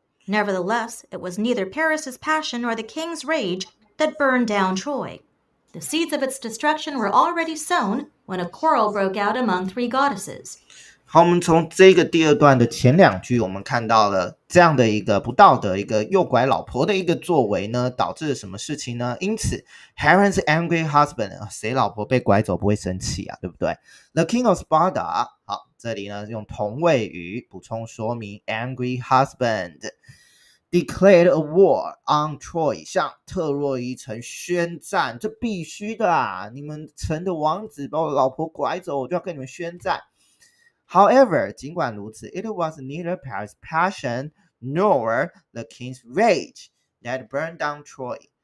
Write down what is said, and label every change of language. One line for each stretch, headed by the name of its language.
English: Nevertheless, it was neither Paris's passion nor the king's rage that burned down Troy. The seeds of its destruction were already sown when a quarrel broke out among three goddesses.
Chinese: 好，我们从这个第二段的前两句，我们看到了这样的一个不道德、一个诱拐老婆的一个作为呢，导致了什么事情呢？因此 ，
English: Helen's angry husband，
Chinese: 谁老婆被拐走不会生气啊？对不对 ？
English: The king of Sparta，
Chinese: 好，这里呢用同位语补充说明 ，
English: angry husband。 Declared a war on Troy，
Chinese: 向特洛伊城宣战，这必须的啊！你们城的王子把我老婆拐走，我就要跟你们宣战。
English: However，
Chinese: 尽管如此
English: ，it was neither Paris' passion nor the king's rage that burned down Troy。